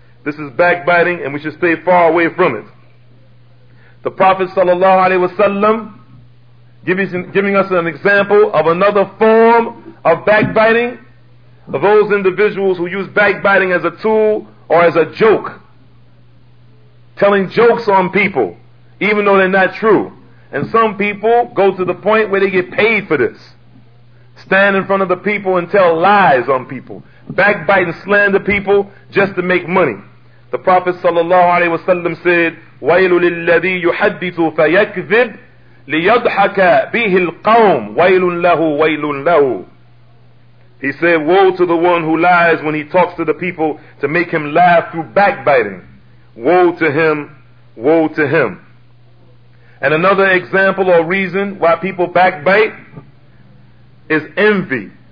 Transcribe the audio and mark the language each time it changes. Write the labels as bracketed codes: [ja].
[en] This is backbiting, and we should stay far away from it. The Prophet sallallahu alaihi wasallam giving us an example of another form of backbiting, of those individuals who use backbiting as a tool or as a joke, telling jokes on people, even though they're not true. And some people go to the point where they get paid for this. Stand in front of the people and tell lies on people. Backbite and slander people just to make money. The Prophet sallallahu alaihi wasallam said, [ar] وَيْلُ لِلَّذِي يُحَدِّثُ فَيَكْذِبْ لِيَضْحَكَ بِهِ الْقَوْمِ وَيْلٌ لَهُ وَيْلٌ لَهُ. [en] He said, woe to the one who lies when he talks to the people to make him laugh through backbiting. Woe to him, woe to him. And another example or reason why people backbite is envy.